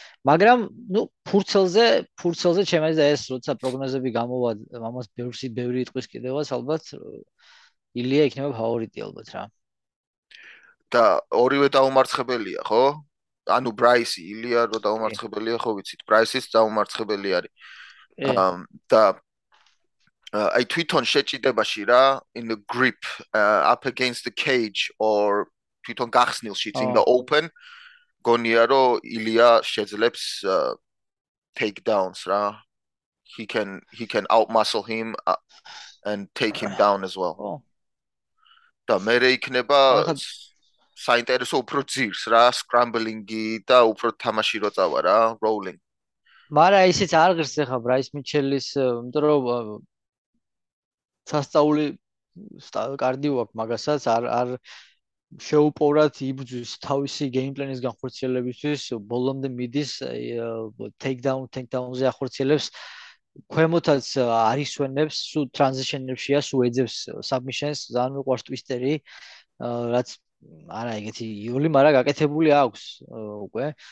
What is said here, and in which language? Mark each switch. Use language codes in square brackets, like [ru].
[ka] მაგრამ ნუ ფურცელზე ჩემს და ეს როცა პროგნოზები გამოვა, ამას ბევრი იტყვის კიდევაც, ალბათ ილია იქნება ფავორიტი ალბათ რა. და ორივე დაუმარცხებელია, ხო? ანუ ბრაისი, ილია რო დაუმარცხებელია, ხო ვიცით, ბრაისიც დაუმარცხებელი არის. და აი თვითონ შეჭიდებაში რა, [en] in the grip up against the cage [ka] or თვითონ გახსნილში [en] in the open, [ka] გონია რომ ილია შეძლებს [en] take downs [ka] რა. [en] He can outmuscle him and take him down as well. [ka] და მერე იქნება საინტერესო უფრო ძირს რა, სკრამბლინგი და უფრო თამაში რო წავა რა, როულინგი. მარა ისიც არ ღირს ახლა ბრაის მიჩელის, იმიტომ რომ სასწაული კარდიო აქვს მაგასაც, არ შეუპოვრად იბძვის თავისი გეიმ პლანის განხორციელებისთვის, ბოლომდე მიდის ტეიკდაუნზე ახორციელებს, ქვემოთაც არისვენებს, სუ ტრანზიშენებშია, სუ ეძებს საბმიშენს, ძალიან მიყვარს ტვისტერი, რაც არა ეგეთი იული, მარა გაკეთებული აქვს უკვე.